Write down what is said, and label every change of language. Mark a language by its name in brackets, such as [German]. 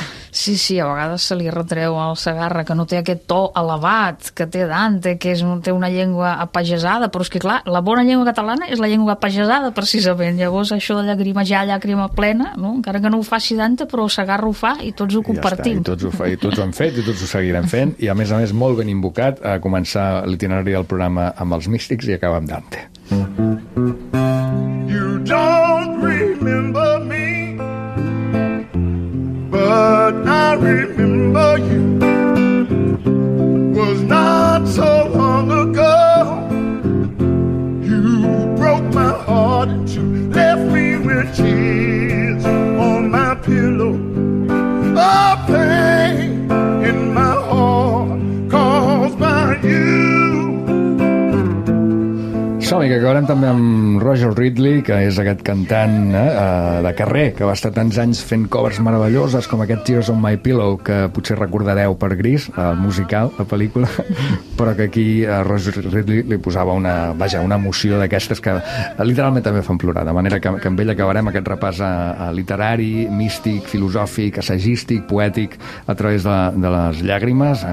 [Catalan] Sí, a vegades se li retreu al Segarra que no té aquest to elevat que té Dante, que té una llengua apagesada, però és que, clar, la bona llengua catalana és la llengua apagesada, precisament. Llavors, això de llagrimejar, llàgrima plena, no? Encara que no ho faci Dante, però Segarra ho fa i tots ho compartim. Ja està, i tots ho han fet i tots ho seguirem fent. I, a més, molt ben invocat a començar l'itinerari del programa amb els místics i acabar amb Dante. [English] You don't remember me, but I remember you. Was not so long ago you broke my heart in two, left me with tears on my pillow. A pain in my heart caused by you. [Catalan] Som-hi, que acabarem també amb Roger Ridley, que és aquest cantant de carrer, que va estar tants anys fent covers meravelloses com aquest Tears on My Pillow, que potser recordareu per Gris, el musical, la pel·lícula, però que aquí a Roger Ridley li posava una emoció d'aquestes que literalment també fan plorar, de manera que amb ell acabarem aquest repàs a literari, místic, filosòfic, assagístic, poètic, a través de les llàgrimes.